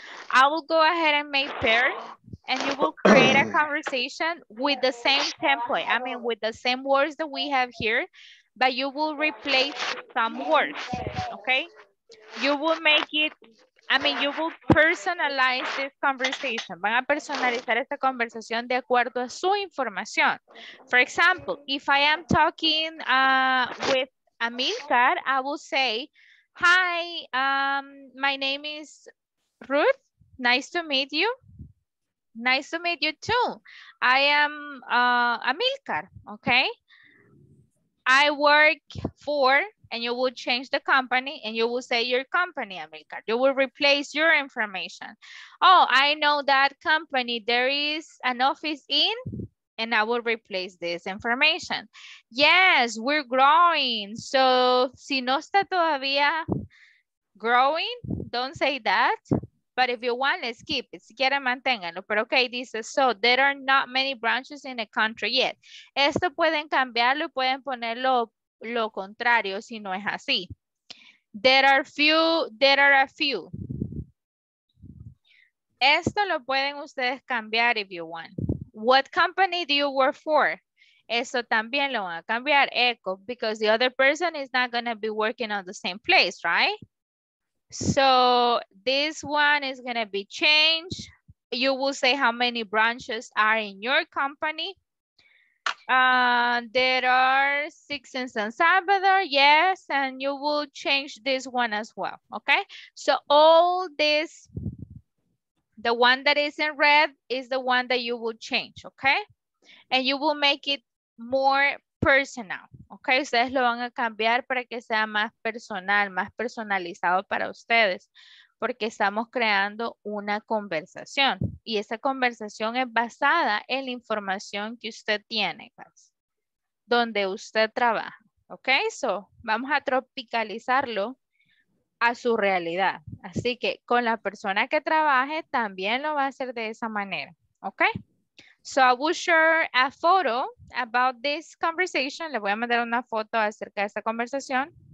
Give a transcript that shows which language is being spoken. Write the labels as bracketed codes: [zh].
[en] I will go ahead and make pairs and you will create a conversation with the same template, I mean with the same words that we have here, but you will replace some words, okay? You will make it, I mean, you will personalize this conversation. [es] Van a personalizar esta conversación de acuerdo a su información. [en] For example, if I am talking with Amilcar, I will say, hi, my name is Ruth. Nice to meet you. Nice to meet you too. I am Amilcar, okay? I work for, and you will change the company and you will say your company, Amilcar. You will replace your information. Oh, I know that company. There is an office in, and I will replace this information. Yes, we're growing. So, [es] si no está todavía [en] growing, don't say that. But if you want, let's keep it. [es] Si quiere, manténgalo. Pero okay, dice, [en] so there are not many branches in the country yet. [es] Esto pueden cambiarlo y pueden ponerlo lo contrario si no es así. [en] There are a few. [es] Esto lo pueden ustedes cambiar [en] if you want. what company do you work for? [es] Eso también lo van a cambiar, eco, [en] because the other person is not going to be working on the same place, right? So this one is going to be changed. You will say how many branches are in your company. There are 6 in San Salvador, yes, and you will change this one as well, okay? So all this, the one that is in red is the one that you will change, okay? And you will make it more personal, okay? [es] Ustedes lo van a cambiar para que sea más personal, más personalizado para ustedes, porque estamos creando una conversación y esa conversación es basada en la información que usted tiene, pues, donde usted trabaja, ok? So, vamos a tropicalizarlo a su realidad. Así que con la persona que trabaje también lo va a hacer de esa manera, ok? [en] So, I will share a photo about this conversation. [es] Le voy a mandar una foto acerca de esta conversación.